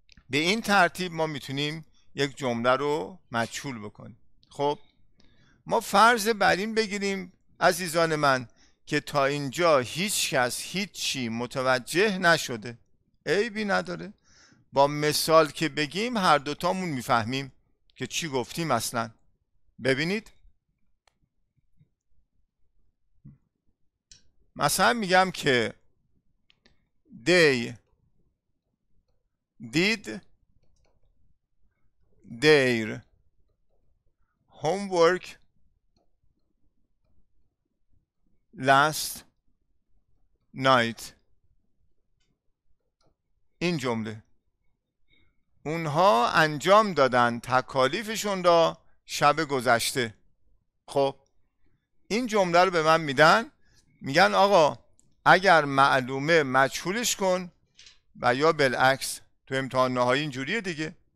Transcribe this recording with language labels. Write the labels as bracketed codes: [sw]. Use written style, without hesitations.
[fa] به این ترتیب ما میتونیم یک جمله رو مجهول بکنیم. خب ما فرض بر این بگیریم عزیزان من که تا اینجا هیچ کس هیچی متوجه نشده، عیبی نداره. با مثال که بگیم هر دوتامون میفهمیم که چی گفتیم. اصلا ببینید، مثلا میگم که [en] they did their homework last night. [fa] این جمله، اونها انجام دادن تکالیفشون را شب گذشته. خب این جمله رو به من میدن، میگن آقا اگر معلومه مجهولش کن، و یا بالعکس تو امتحان نهایی اینجوریه دیگه.